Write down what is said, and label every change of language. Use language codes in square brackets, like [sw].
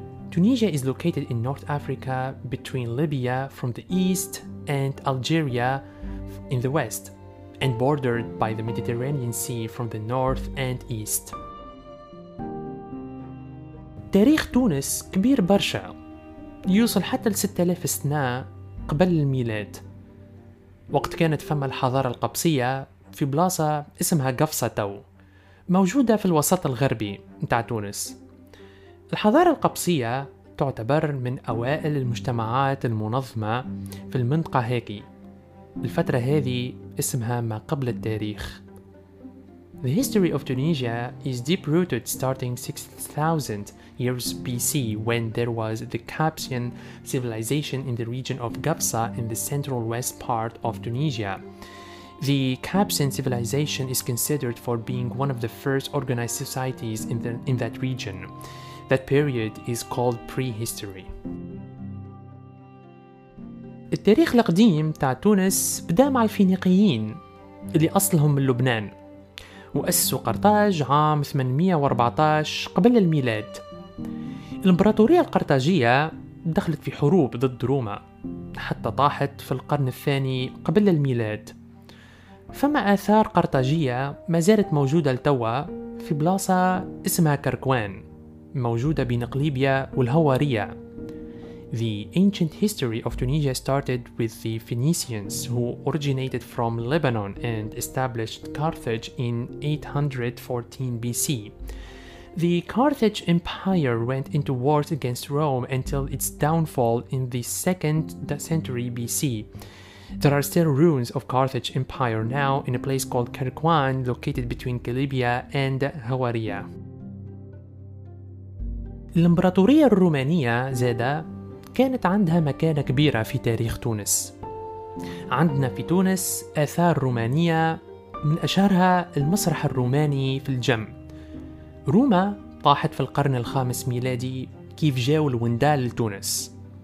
[en] Tunisia is located in North Africa between Libya from the east and Algeria in the west, and bordered by the Mediterranean Sea from the north and east. [ar] تاريخ تونس كبير برشا، يوصل حتى ل 6000 سنة قبل الميلاد، وقت كانت فما الحضارة القبصية في بلاصة اسمها قفصة تو، موجودة في الوسط الغربي متاع تونس. الحضارة القبصية تعتبر من أوائل المجتمعات المنظمة في المنطقة هاكي. الفترة هذه اسمها ما قبل التاريخ. [en] The history of Tunisia is deep-rooted starting 6,000 years BC when there was the Capsian civilization in the region of Gafsa in the central west part of Tunisia. The Capsian civilization is considered for being one of the first organized societies in that region. That period is called prehistory. [ar] التاريخ القديم تاع تونس بدا مع الفينيقيين اللي أصلهم من لبنان، وأسسوا قرطاج عام 814 قبل الميلاد. الإمبراطورية القرطاجية دخلت في حروب ضد روما حتى طاحت في القرن الثاني قبل الميلاد. فما آثار قرطاجية ما زالت موجودة لتوا في بلاصة اسمها كركوان، موجودة بين قليبيا والهوارية. [en] The ancient history of Tunisia started with the Phoenicians, who originated from Lebanon and established Carthage in 814 BC. The Carthage Empire went into wars against Rome until its downfall in the 2nd century BC. There are still ruins of Carthage Empire now in a place called Kerkouan, located between Kelibia and Hawaria. [ar] الإمبراطورية الرومانية زادة كانت عندها مكانة كبيرة في تاريخ تونس. عندنا في تونس آثار رومانية، من أشهرها المسرح الروماني في الجم. روما طاحت في القرن الخامس ميلادي كيف جاءوا الوندال لتونس.